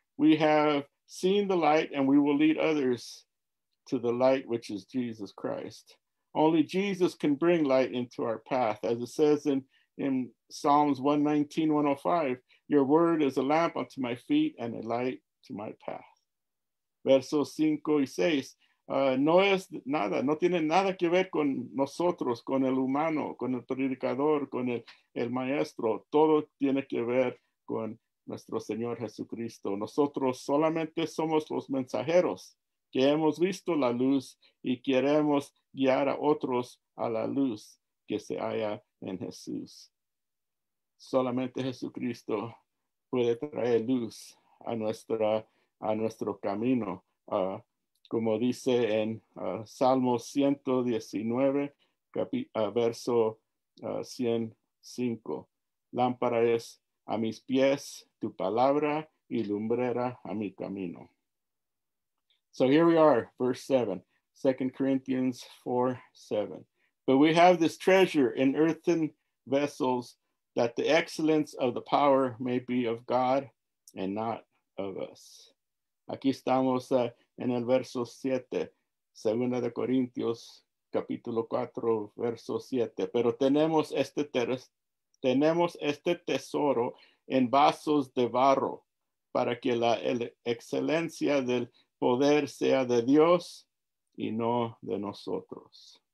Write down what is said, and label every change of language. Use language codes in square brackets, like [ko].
[en] We have seen the light, and we will lead others to the light, which is Jesus Christ. Only Jesus can bring light into our path. As it says in Psalms 119, 105, your word is a lamp unto my feet and a light to my path. [es] Verso 5, [en] he says, [es] no es nada, no tiene nada que ver con nosotros, con el humano, con el predicador, con el maestro. Todo tiene que ver con nuestro Señor Jesucristo. Nosotros solamente somos los mensajeros que hemos visto la luz y queremos guiar a otros a la luz que se halla en Jesús. Solamente Jesucristo puede traer luz a nuestro camino. Como dice en Salmo 119, verso 105, lámpara es a mis pies tu palabra y lumbrera a mi camino. [en] So here we are, verse 7, 2 Corinthians 4, 7. But we have this treasure in earthen vessels, that the excellence of the power may be of God and not of us. [es] Aquí estamos en el verso 7, 2 de Corintios, capítulo 4, verso 7. Pero tenemos este tesoro en vasos de barro, para que la excelencia del poder sea de Dios y no de nosotros.